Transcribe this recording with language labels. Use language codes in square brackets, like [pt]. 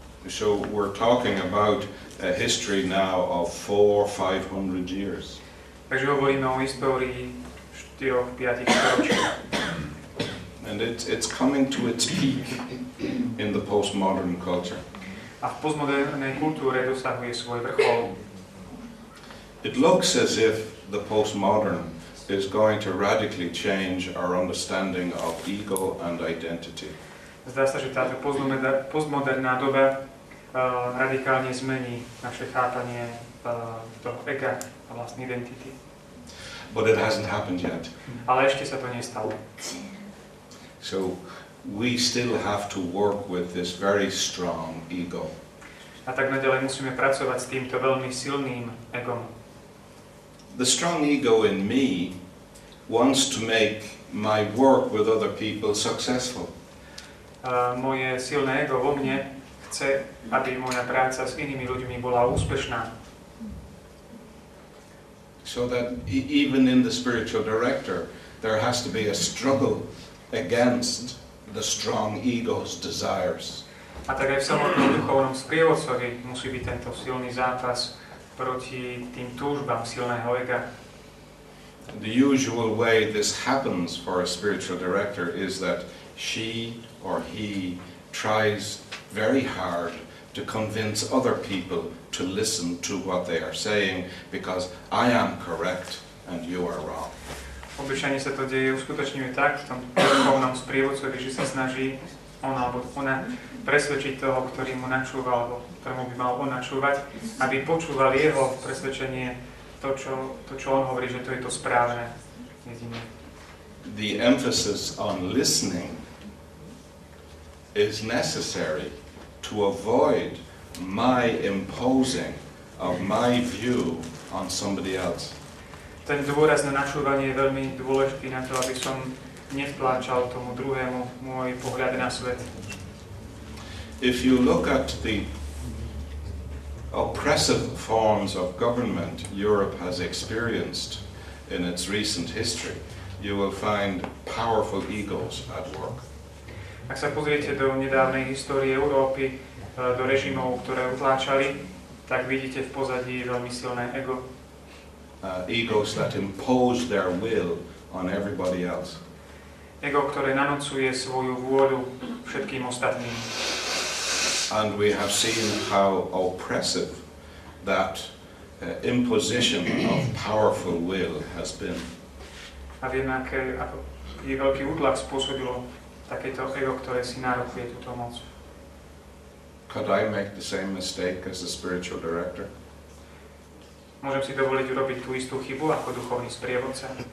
[en] So we're talking about a history now of 400-500 years. [sk] Takže hovoríme o histórii 4-5 storočí. [en] And it's coming to its peak in the postmodern culture. [sk] A v postmodernej kultúre dosahuje svoj vrchol. [en] It looks as if the postmodern is going to radically change our understanding of ego and identity. [sk] Zdá sa, že táto postmoderná doba radikálne zmení naše chápanie toho ega a vlastnej identity. [en] But it hasn't happened yet. [sk] Ale ešte sa to nestalo. [en] So we still have to work with this very strong ego. [sk] A tak naďalej musíme pracovať s týmto veľmi silným egom. [en] The strong ego in me wants to make my work with other people successful. [sk] Moje silné ego vo mne chce, aby moja práca s inými ľuďmi bola úspešná. [en] So that even in the spiritual director there has to be a struggle against the strong ego's desires. [sk] A tak aj v samotnom duchovnom sprievodcovi musí byť tento silný zápas proti tým túžbám silného ega. [en] The usual way this happens for a spiritual director is that she or he tries very hard to convince other people to listen to what they are saying because I am correct and you are wrong. [sk] Obyčajne sa to deje uskutočňuje tak v tom duchovnom sprievodcovi, že sa snaží on alebo ona presvedčiť toho, ktorý mu načúva, alebo ktorému by mal on načúvať, aby počúval jeho presvedčenie, to, čo on hovorí, že to je to správne jedine. [en] The emphasis on listening is necessary to avoid my imposing of my view on somebody else. [sk] Ten dôraz na načúvanie je veľmi dôležitý na to, aby som nevtláčal tomu druhému môj pohľad na svet. [en] If you look at the oppressive forms of government Europe has experienced in its recent history, you will find powerful egos at work. [sk] Ak sa pozriete do nedávnej histórie Európy, do režimov, ktoré utláčali, tak vidíte v pozadí veľmi silné ego. [en] Egos that impose their will on everybody else. [sk] Ego, ktoré nanocuje svoju vôľu všetkým ostatným. [en] And we have seen how oppressive that imposition of powerful will has been. [sk] A vieme, ako je veľký útlak spôsobilo takéto ego, ktoré si narokuje túto moc. [en] Could I make the same mistake as the spiritual director? [sk] Môžem si dovoliť urobiť tú istú chybu ako duchovný sprievodca?